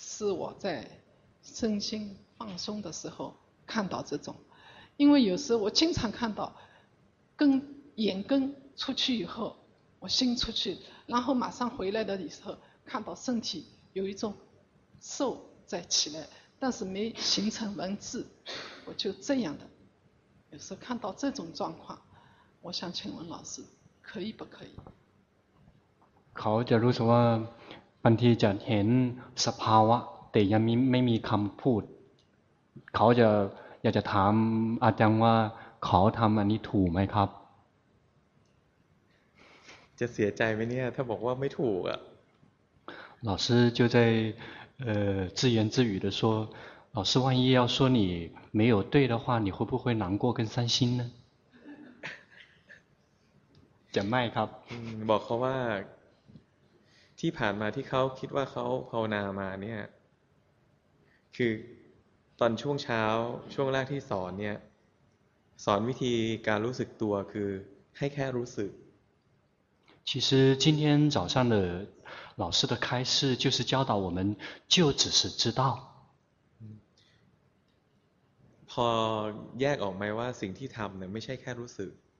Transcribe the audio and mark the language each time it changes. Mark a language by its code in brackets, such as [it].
[zh] 我在身心放松的时候看到这种因为有时候我经常看到跟眼根出去以后我心出去然后马上回来的时候看到身体有一种瘦在起来但是没形成文字我就这样的有时候看到这种状况我想请问老师可以不可以考假如说 [th] บางทีจะเห็นสภาวะแต่ยังไม่มีคำพูดเขาจะอยากจะถามอาจารย์ว่าเขาทำอันนี้ถูกไหมครับ จะเสียใจไหมเนี่ยถ้าบอกว่าไม่ถูกอ่ะ [zh] 老师就在自言自语的说老师万一要说你没有对的话你会不会难过跟伤心呢 [th] จะไม่ครับ บอกเขาว่าที่ผ่านมาที่เขาคิดว่าเขาภาวนามาเนี่ยคือตอนช่วงเช้าช่วงแรกที่สอนเนี่ยสอนวิธีการรู้สึกตัวคือให้แค่รู้สึก [zh] 其实今天早上的老师的开示就是教导我们就只是知道 [th] พอแยกออกไหมว่าสิ่งที่ทำเนี่ยไม่ใช่แค่รู้สึก